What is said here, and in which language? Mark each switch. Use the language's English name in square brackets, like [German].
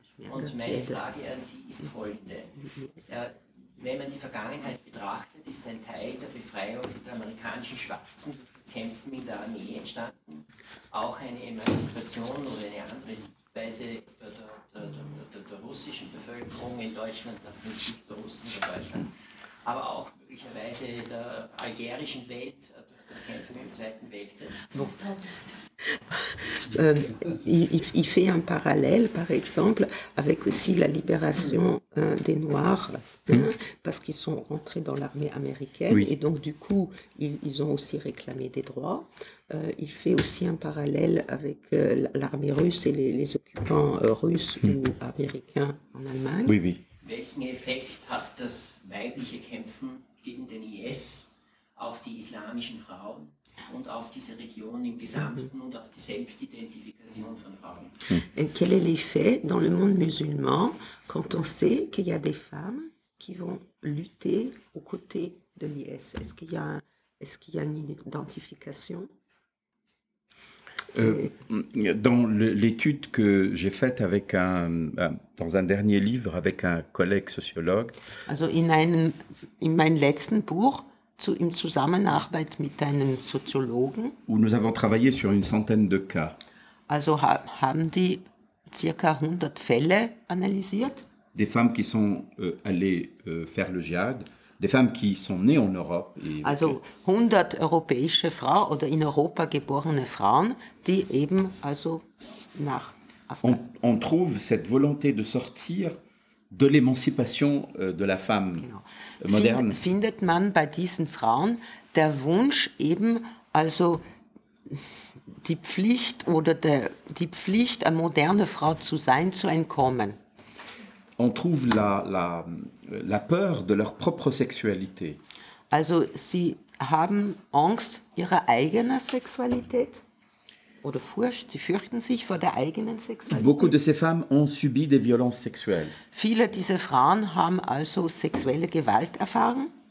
[German] Und meine Frage an Sie ist folgende. Wenn man die Vergangenheit betrachtet, ist ein Teil der Befreiung der amerikanischen Schwarzen durch das Kämpfen in der Armee entstanden, auch eine Emanzipation oder eine andere Sichtweise der russischen Bevölkerung in Deutschland, der Politik der Russen in Deutschland, aber auch möglicherweise der algerischen Welt durch das Kämpfen im Zweiten Weltkrieg. [French] Il fait un parallèle, par exemple, avec aussi la libération des Noirs, hein, parce qu'ils sont rentrés dans l'armée américaine, oui. Et donc du coup, ils ont aussi réclamé des droits. Il fait aussi un parallèle avec l'armée russe et les occupants russes ou américains en Allemagne. Oui, oui. [German] Welchen Effekt hat das weibliche Kämpfen gegen den IS auf die islamischen Frauen? Und auf diese Region im Gesamten und auf die Selbstidentifikation von Frauen. [French] Quel est l'effet dans le monde musulman quand on sait qu'il y a des femmes qui vont lutter aux côtés de l'IS? Est-ce qu'il y a une identification? Dans l'étude que j'ai faite avec dans un dernier livre avec un collègue sociologue. [German] Also in meinem letzten Buch. In Zusammenarbeit mit einem Soziologen. [French] Où nous avons travaillé sur une centaine de cas. [German] Also haben die circa 100 Fälle analysiert. [French] Des femmes qui sont allées faire le jihad, des femmes qui sont nées en Europe. [German] Et also 100 europäische Frauen oder in Europa geborene Frauen, die eben also nach Afghanistan. [French] On trouve cette volonté de sortir de l'émancipation de la femme moderne. [German] Findet man bei diesen Frauen der Wunsch eben also die Pflicht oder die Pflicht eine moderne Frau zu sein zu entkommen. [French] On trouve la peur de leur propre sexualité. [German] Also sie haben Angst ihrer eigenen Sexualität. Oder Furcht, sie fürchten sich vor der eigenen Sexualität. [French] Beaucoup de ces femmes ont subi des violences sexuelles. [German] Viele dieser Frauen haben also sexuelle Gewalt erfahren.